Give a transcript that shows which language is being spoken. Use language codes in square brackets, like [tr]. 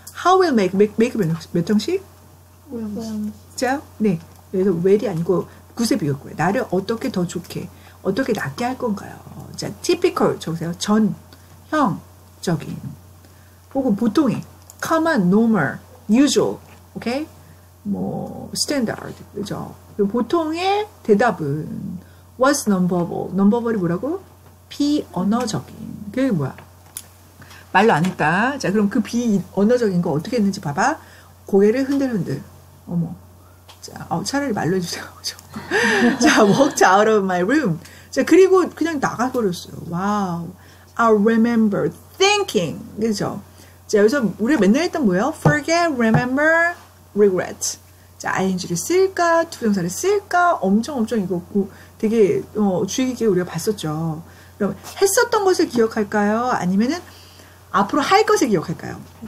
[en] How will make [ko] 몇 형식? 5형식. 네. 그래서 will이 아니고 구세비였고요. 나를 어떻게 더 좋게, 어떻게 낫게 할 건가요? 자, typical, 적으세요. 전형적인. 혹은 보통의. [en] common, normal, usual. 오케이? 뭐, standard. 그죠? [ko] 보통의 대답은. [en] What's non-verbal? [ko] Non-verbal이 뭐라고? 비언어적인. 그게 뭐야? 말로 안 했다. 자, 그럼 그 비언어적인 거 어떻게 했는지 봐봐. 고개를 흔들흔들. 어머. 자, 차라리 말로 해주세요. [en] 자, walked out of my room. [ko] 자, 그리고 그냥 나가버렸어요. 와우. [en] Wow. I remember thinking. [ko] 그죠? 자, 여기서 우리가 맨날 했던 뭐예요? [en] Forget, remember, regret. 자, [ko] ing를 쓸까? 투정사를 쓸까? 엄청 엄청 이거 되게 주의 깊게 우리가 봤었죠. 그럼 했었던 것을 기억할까요? 아니면은 앞으로 할 것을 기억할까요?